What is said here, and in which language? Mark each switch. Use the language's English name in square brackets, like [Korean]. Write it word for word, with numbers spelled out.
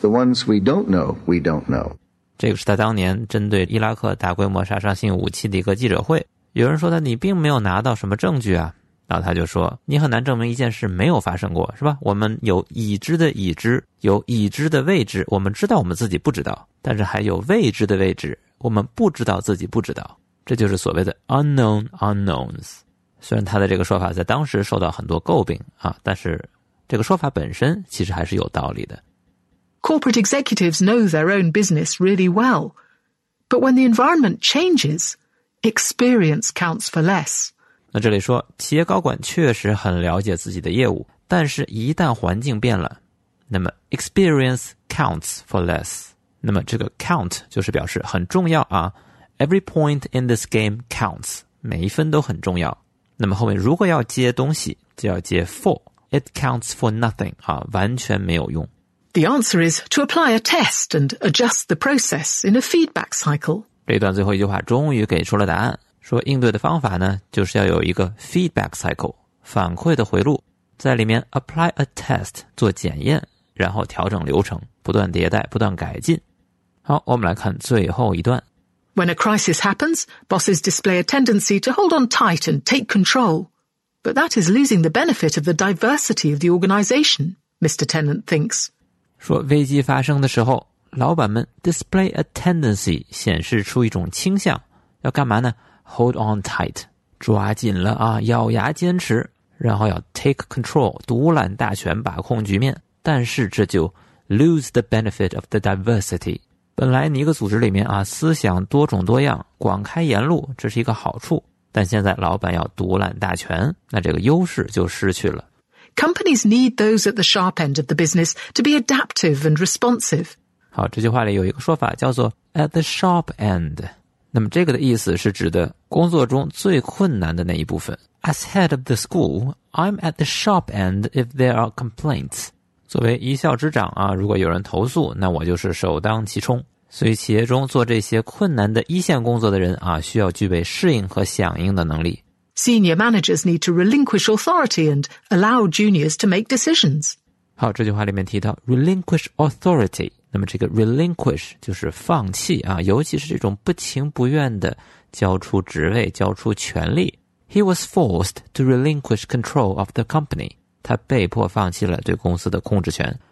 [English] The ones we don't know, we don't know. [Chinese] 这个是他当年针对伊拉克大规模杀伤性武器的一个记者会。有人说他，你并没有拿到什么证据啊。然后他就说，你很难证明一件事没有发生过，是吧？我们有已知的已知，有已知的未知，我们知道我们自己不知道，但是还有未知的未知，我们不知道自己不知道。这就是所谓的 unknown unknowns。虽然他的这个说法在当时受到很多诟病啊，但是这个说法本身其实还是有道理的。 [English] Corporate executives know their own business really well, but when the environment changes, experience counts for less。 [Chinese] 那这里说企业高管确实很了解自己的业务，但是一旦环境变了，那么 [English] experience counts for less。 [Chinese] 那么这个 count 就是表示很重要啊， [English] Every point in this game counts， [Chinese] 每一分都很重要。那么后面如果要接东西，就要接 for。 [English] It counts for nothing， [Chinese] 啊，完全没有用。 [English] The answer is to apply a test and adjust the process in a feedback cycle。 [Chinese] 这一段最后一句话终于给出了答案，说应对的方法呢，就是要有一个 feedback cycle， 反馈的回路，在里面 [English] apply a test [Chinese] 做检验，然后调整流程，不断迭代，不断改进。好，我们来看最后一段。 [English] When a crisis happens, bosses display a tendency to hold on tight and take control. But that is losing the benefit of the diversity of the organization, Mister Tennant thinks. [Chinese] 说危机发生的时候，老板们 [English] display a tendency [Chinese] 显示出一种倾向，要干嘛呢？ [English] Hold on tight， [Chinese] 抓紧了啊，咬牙坚持，然后要 [English] take control， [Chinese] 独揽大权，把控局面。但是这就 [English] lose the benefit of the diversity。 [Chinese] 本来你一个组织里面啊，思想多种多样，广开言路，这是一个好处。但现在老板要独揽大权，那这个优势就失去了。 [English] Companies need those at the sharp end of the business to be adaptive and responsive。 [Chinese] 好，这句话里有一个说法叫做 [English] at the sharp end， [Chinese] 那么这个的意思是指的工作中最困难的那一部分。 [English] As head of the school, I'm at the sharp end if there are complaints。 [Chinese] 作为一校之长啊，如果有人投诉，那我就是首当其冲。所以企业中做这些困难的一线工作的人啊，需要具备适应和响应的能力。 [English] Senior managers need to relinquish authority and allow juniors to make decisions。 [Chinese] 好，这句话里面提到 [English] relinquish authority， [Chinese] 那么这个 relinquish 就是放弃啊，尤其是这种不情不愿的交出职位、交出权力。 [English] He was forced to relinquish control of the company. [Chinese] 他被迫放弃了对公司的控制权。